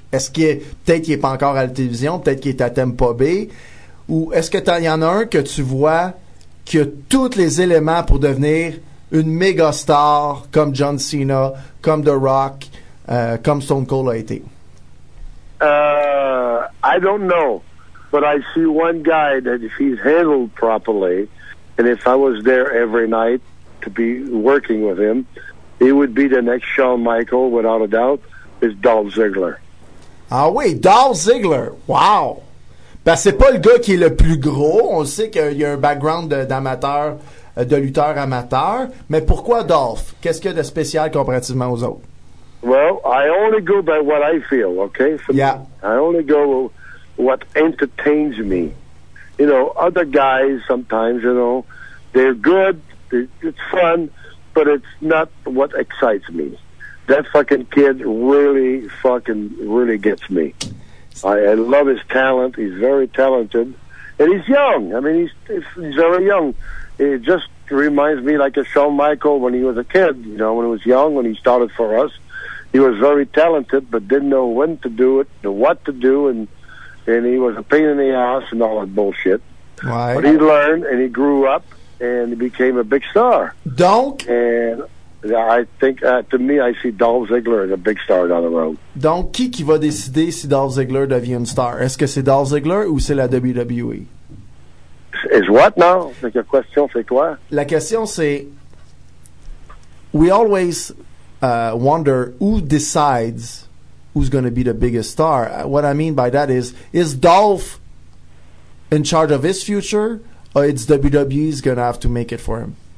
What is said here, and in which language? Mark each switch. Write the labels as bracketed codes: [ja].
[fr] Est-ce qu'il est, peut-être qu'il n'est pas encore à la télévision, peut-être qu'il est à Tampa Bay, ou est-ce que t'en, y en a un que tu vois qui a tous les éléments pour devenir une méga star comme John Cena, comme The Rock, comme Stone Cold a été? [en] I don't know, but I see one guy that if he's handled properly, and if I was there every night to be working with him, he would be the next Shawn Michaels, without a doubt, is Dolph Ziggler. [fr] Ah oui, Dolph Ziggler, wow! Ben, c'est pas le gars qui est le plus gros, on sait qu'il y a un background de, d'amateur, de lutteur amateur, mais pourquoi Dolph? Qu'est-ce qu'il y a de spécial comparativement aux autres? [en] Well, I only go by what I feel, okay? Yeah. I only go what entertains me. You know, other guys sometimes, you know, they're good, it's fun, but it's not what excites me. That fucking kid really fucking really gets me. I love his talent. He's very talented. And he's young. I mean, he's very young. It just reminds me like a Shawn Michaels when he was a kid, you know, when he was young, when he started for us. He was very talented, but didn't know when to do it, what to do, and he was a pain in the ass and all that bullshit. Right. But he learned, and he grew up, and he became a big star. [fr] Donc? [en] And I think, to me, I see Dolph Ziggler as a big star down the road. [fr] Donc, qui va décider si Dolph Ziggler devient une star? Est-ce que c'est Dolph Ziggler ou c'est la WWE? [en] Is what now? [fr] C'est que question, c'est quoi? La question, c'est, [en] we always wonder who decides who's going to be the biggest star. What I mean by that is Dolph in charge of his future, or it's WWE's going to have to make it for him?